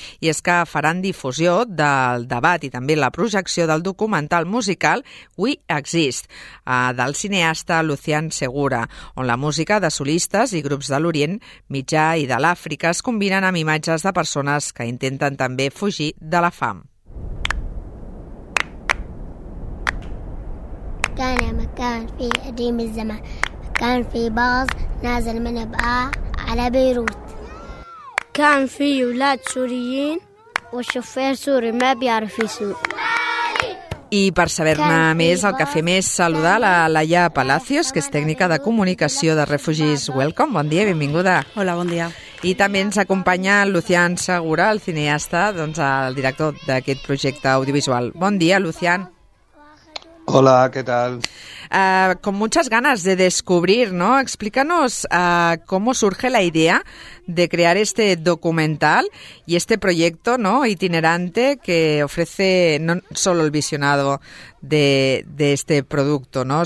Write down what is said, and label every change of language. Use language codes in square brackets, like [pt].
[ca] I és que faran difusió del debat i també la projecció del documental musical We Exist, del cineasta Lucian Segura, on la música de solistes i grups de l'Orient Mitjà i de l'Àfrica es combinen amb imatges de persones que intenten també fugir de la fam. [ar] كان مكان في قديم الزمان كان في باص نازل من بقى على بيروت كان في ولاد سوريين والشوفير سوري ما بيعرف يسوق. [ca] I per saber-ne més, el que fem és saludar la Laia Palacios, que és tècnica de comunicació de Refugees Welcome. Bon dia, benvinguda. Hola, bon dia. I també ens acompanya Lucian Segura, el cineasta, doncs el director d'aquest projecte audiovisual. Bon dia, Lucian. [es] Hola, ¿qué tal? Con muchas ganas de descubrir, ¿no? Explícanos cómo surge la idea de crear este documental y este proyecto, ¿no? Itinerante que ofrece no solo el visionado de este producto, ¿no?